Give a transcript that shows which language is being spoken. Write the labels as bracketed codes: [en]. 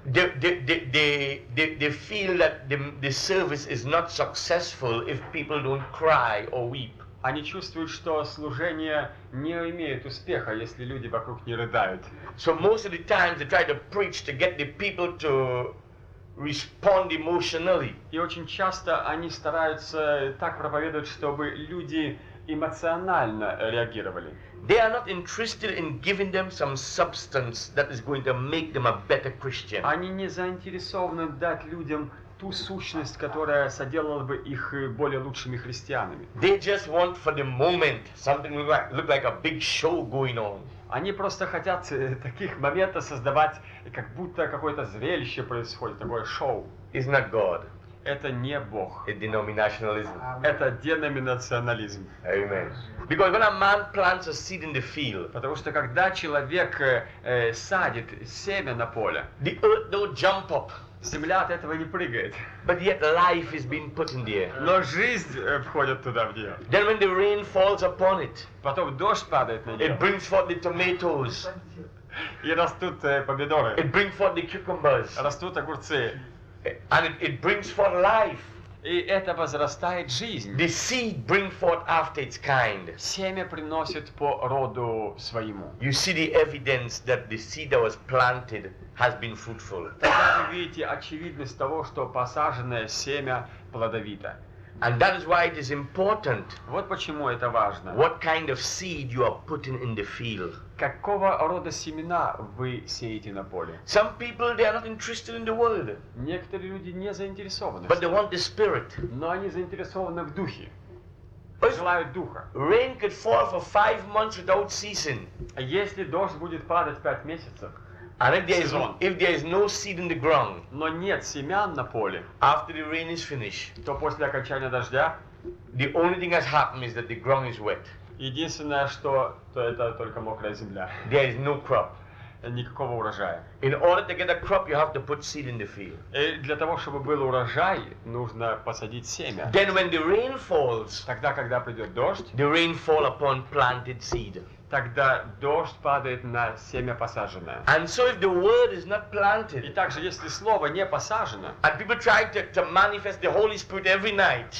[en] they feel that the service is not successful if people don't cry or weep. [ru] Они чувствуют, что служение не имеет успеха, если люди вокруг не рыдают. [en] So most of the times they try to preach to get the people to respond emotionally. [ru] И очень часто они стараются так проповедовать, чтобы люди эмоционально реагировали. [en] They are not interested in giving them some substance that is going to make them a better Christian. [ru] Они не заинтересованы дать людям ту сущность, которая соделала бы их более лучшими христианами. [en] They just want for the moment something look like a big show going on. [ru] Они просто хотят таких моментов создавать, как будто какое-то зрелище происходит, такое шоу. [en] It's not God. [ru] Это не Бог. [en] It's denominationalism. [ru] Это деноминационализм. [en] Amen. Because when a man plants a seed in the field, [ru] потому что когда человек садит семя на поле, [en] the earth don't jump up. [ru] Земля от этого не прыгает. [en] But yet life is being put in the air. [ru] Но жизнь входит туда в нее. [en] Then when the rain falls upon it, [ru] потом дождь падает на нее. [en] It brings forth the tomatoes. [ru] И растут помидоры. [en] It brings forth the cucumbers. [ru] Растут огурцы. [en] And it brings forth life. [ru] И это возрастает жизнь. [en] The seed brings forth after its kind. [ru] Семя приносит по роду своему. [en] You see the evidence that the seed that was planted has been fruitful. [ru] Тогда вы видите очевидность того, что посаженное семя плодовито. [en] And that is why it is important. [ru] Вот почему это важно. [en] What kind of seed you are putting in the field? [ru] Какого рода семена вы сеете на поле? [en] Some people they are not interested in the world. [ru] Некоторые люди не заинтересованы. [en] But they want the spirit. [ru] Но они заинтересованы в духе. [en] They [ru] желают духа. [en] Rain could fall for 5 months without ceasing. [ru] А если дождь будет падать 5 месяцев? [en] And if there is no seed in the ground, [ru] но нет семян на поле, [en] after the rain is finished, [ru] то после окончания дождя, [en] the only thing that happens is that the ground is wet. [ru] Единственное, что то это только мокрая земля. [en] There is no crop. [ru] Никакого урожая. [en] In order to get a crop, you have to put seed in the field. [ru] И для того, чтобы был урожай, нужно посадить семя. [en] Then when the rain falls, [ru] тогда когда придет дождь, [en] the rain fall upon planted seed. [ru] Тогда дождь падает на семя посаженное. [en] And so if the word is not planted, [ru] и также если слово не посажено, [en] and people try to manifest the Holy Spirit every night,